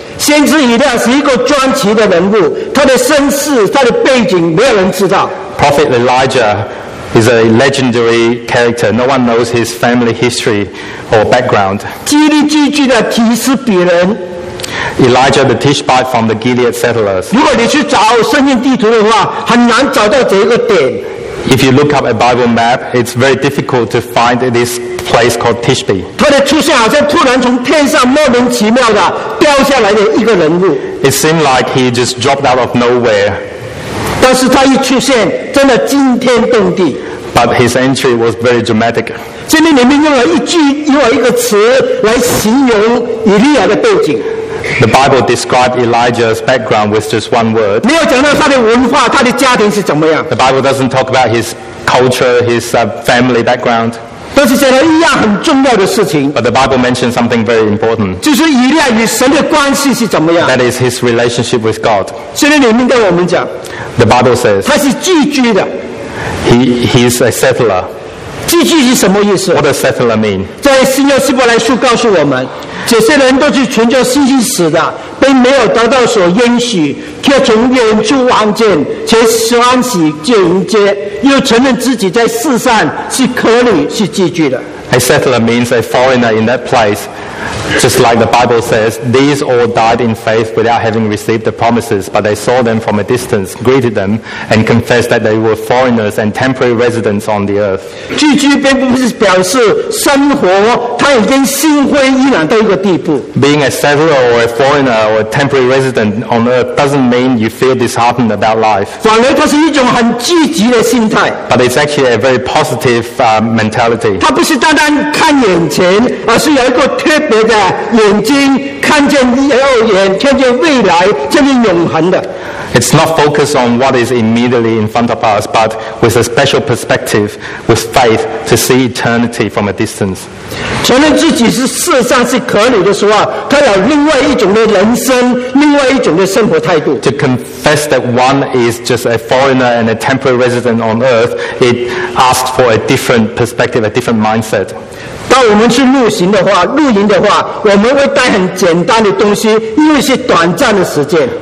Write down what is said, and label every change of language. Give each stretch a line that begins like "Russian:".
Chinese: 先知以利亚是一个传奇的人物，他的身世、他的背景，没有人知道。
English: Prophet Elijah is a legendary character. No one knows his family history or background.
Chinese: 激励激励的提示彼人。
English: Elijah the Tishbite from the Gilead settlers.
Chinese: 如果你去找圣经地图的话，很难找到这个点。
English: If you look up a Bible map, it's very difficult to find this place called Tishbe.
Chinese: 他的出现好像突然从天上莫名其妙的掉下来的一个人物。
English: It seemed like he just dropped out of nowhere.
Chinese: 但是他一出现，真的惊天动地。
English: But his entry was very dramatic.
Chinese: 这里里面用了一句，用了一个词来形容以利亚的背景。
English: The Bible described Elijah's background with just one word.
Chinese: 没有讲到他的文化，他的家庭是怎么样。
English: The Bible doesn't talk about his culture, his family background.
Chinese: 但是讲到一样很重要的事情。
English: But the Bible mentions something very important.
Chinese: 就是以利亚与神的关系是怎么样。
English: That is his relationship with God.
Chinese: 圣经里面跟我们讲。
English: The Bible says.
Chinese: 他是寄居的。
English: He's a settler.
Chinese: 寄居是什么意思？
English: What does settler mean?
Chinese: 在新约希伯来书告诉我们，这些人都是存着信心死的，并没有得到所应许，却从远处望见，且欢喜就迎接，又承认自己在世上是客旅，是寄居的。
English: A settler means a foreigner in that place. Just like the Bible says, these all died in faith without having received the promises, but they saw them from a distance, greeted them, and confessed that they were foreigners and temporary residents on the earth.
Chinese: 寄居并不是表示生活他已经心灰意冷到一个地步。
English: Being a settler or a foreigner or a temporary resident on earth doesn't mean you feel disheartened about life.
Chinese: 反而它是一种很积极的心态。
English: But it's actually a very positive mentality.
Chinese: 它不是单单看眼前，而是有一个特别的眼睛，看见耀眼，看见未来，看见永恒的。
English: It's not focused on what is immediately in front of us, but with a special perspective, with faith, to see eternity from a distance.
Chinese: 承认自己是世上是可女的时候，他有另外一种的人生，另外一种的生活态度。
English: To confess that one is just a foreigner and a temporary resident on earth, it asks for a different perspective, a different mindset.
Chinese: 当我们去露行的话，露营的话，我们会带很简单的东西，因为是短暂的时间。